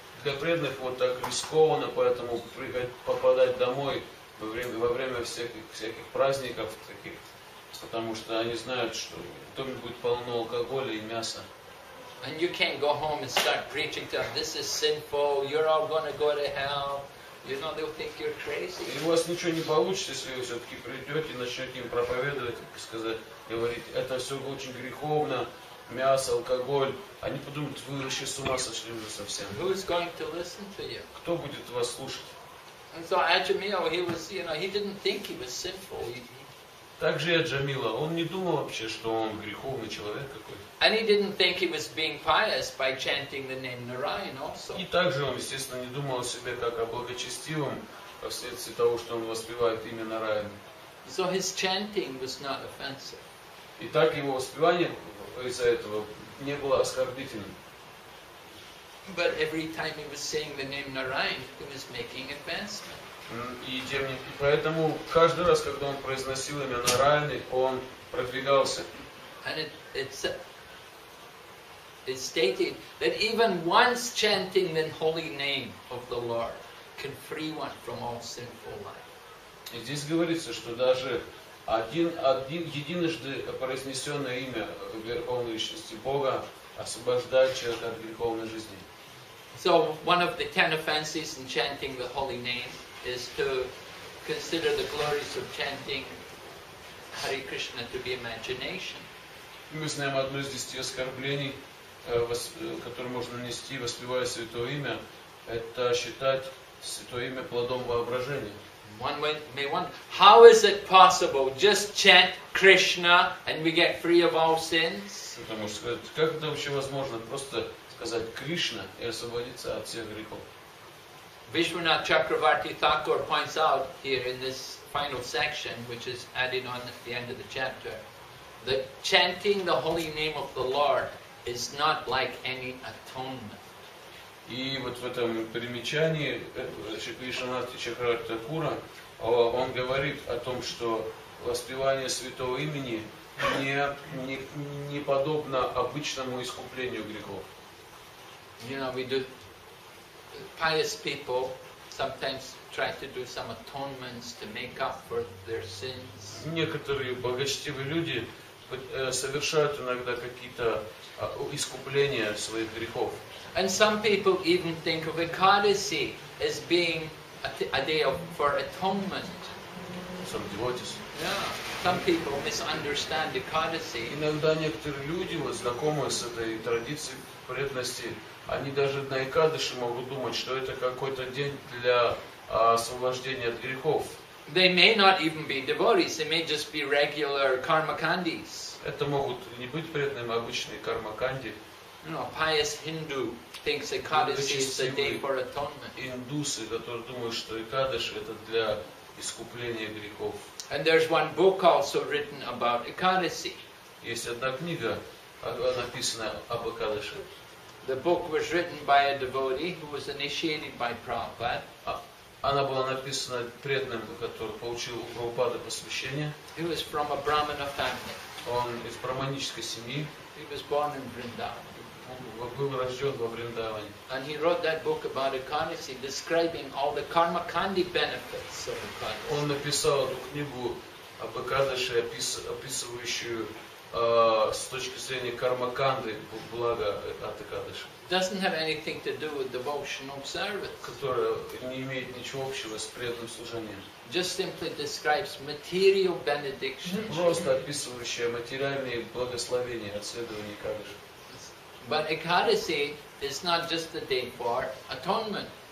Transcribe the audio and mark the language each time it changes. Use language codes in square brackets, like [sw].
[ru] Для преданных вот так рискованно, поэтому попадать домой во время всяких праздников таких, потому что они знают, что в доме будет полно алкоголя и мяса. [en] And you can't go home and start preaching to them, this is sinful, you're all going to go to hell. You know, they'll think you're crazy. [ru] И у вас ничего не получится, если вы все-таки придете и начнете им проповедовать, сказать, говорить, это все очень греховно, мясо, алкоголь. Они подумают, вы вообще с ума сошли уже совсем. [en] Who is going to listen to you? [ru] Кто будет вас слушать? [en] And so Аджамила, he was, you know, he didn't think he was sinful. [ru] Также и Аджамила, он не думал вообще, что он греховный человек какой-то. [en] And he didn't think he was being pious by chanting the name Narayan also. [ru] И также он, естественно, не думал о себе как о благочестивом вследствие того, что он воспевает имя Нараяна. [en] So his chanting was not offensive. [ru] И так его воспевание из-за этого не было оскорбительным. [en] But every time he was saying the name Narayan, he was making advancement. [ru] И поэтому каждый раз, когда он произносил имя Нараяны, он продвигался. [en] And it's stated that even once chanting the holy name of the Lord can free one from all sinful life. [ru] И здесь говорится, что даже один единожды произнесенное имя Верховной Личности Бога освобождает человека от греховной жизни. [en] So one of the 10 offenses in chanting the holy name is to consider the glories of chanting Hare Krishna to be imagination. [ru] Мы знаем одно из 10 оскорблений, которое можно нанести, воспевая святое имя, это считать святое имя плодом воображения. [en] One may wonder, how is it possible? Just chant Krishna and we get free of all sins? [ru] Потому что сказать, как это вообще возможно? Просто сказать Кришна и освободиться от всех грехов. [en] Vishwanath Chakravarti Thakur points out here in this final section, which is added on at the end of the chapter, that chanting the holy name of the Lord is not like any atonement. [ru] И вот в этом примечании Вишванати Чакраварти Такура он говорит о том, что воспевание святого имени не подобно обычному искуплению грехов. [en] You know, we do. Pious people sometimes try to do some atonements to make up for their sins. [ru] Некоторые благочестивые люди совершают иногда какие-то искупления своих грехов. [en] And some people even think of Ekadasi as being a day for atonement. Some devotees. Yeah. Some people misunderstand Ekadasi. [ru] Иногда некоторые люди, вот знакомые с этой традицией преданности, они даже на Экадыши могут думать, что это какой-то день для освобождения от грехов. [en] They may not even be devotees, they may just be regular karmakandis. [ru] Это могут не быть преданными, обычные кармаканди. [en] No, pious Hindu thinks Ekadashi is a day for atonement. [ru] Индусы, которые думают, что Экадыши это для искупления грехов. [en] And there's one book also written about Ekadashi. [ru] Есть одна книга, написанная об Экадыши. [en] The book was written by a devotee who was initiated by Prabhupada. [ru] Она была написана преданным, который получил у Прабхупады посвящение. [en] He was from a Brahmana family. [ru] Он из браманической семьи. [en] He was born in Vrindavan. [ru] Он был рожден во Вриндаване. [en] And he wrote that book about Ekadasi, describing all the karmakandi benefits of Ekadasi. [ru] Он написал эту книгу об Экадаши, описывающую с точки зрения кармаканды благо от Экадаши. [en] Doesn't have anything to do with devotional service. [ru] Которая не имеет ничего общего с преданным служением. [en] Just simply describes material benediction. [ru] Просто описывающая материальные благословения от следования Экадаши. [en] But Ekadasi is not just a day for atonement.